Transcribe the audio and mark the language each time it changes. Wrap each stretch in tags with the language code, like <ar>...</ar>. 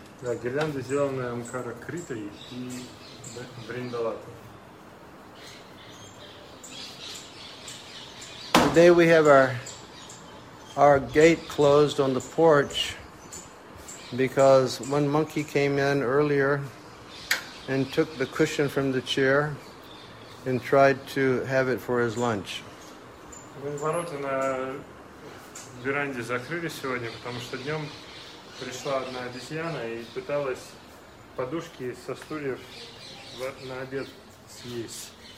<ru>Да, гирлянды сделаны Omkar Kriti и Vrindalata.</ru> <en>Today we have our gate closed on the porch because one monkey came in earlier and took the cushion from the chair and tried to have it for his lunch.</en> <ru>Мы ворота на веранде закрыли сегодня, потому что днем пришла одна обезьяна и пыталась подушки со стульев на обед съесть.</ru>